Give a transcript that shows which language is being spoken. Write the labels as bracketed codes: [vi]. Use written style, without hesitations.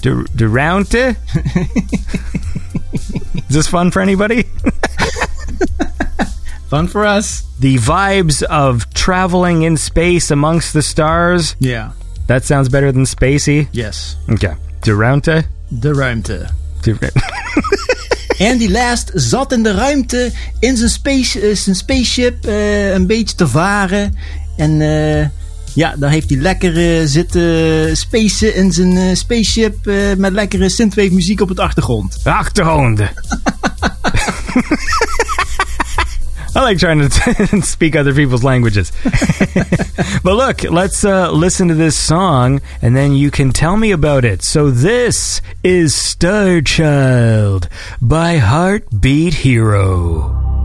[nl] De ruimte. [en] Is this fun for anybody? Fun for us. The vibes of traveling in space amongst the stars. Yeah. That sounds better than spacey. Yes. [nl] Okay. De ruimte. De ruimte. De ruimte. En die laatst zat in de ruimte in zijn spaceship een beetje te varen. En ja, dan heeft hij lekker zitten spacen in zijn spaceship met lekkere synthwave muziek op het achtergrond. Achtergrond. [en] I like trying to speak other people's languages. But look, let's listen to this song and then you can tell me about it. So this is Starchild by Heartbeat Hero.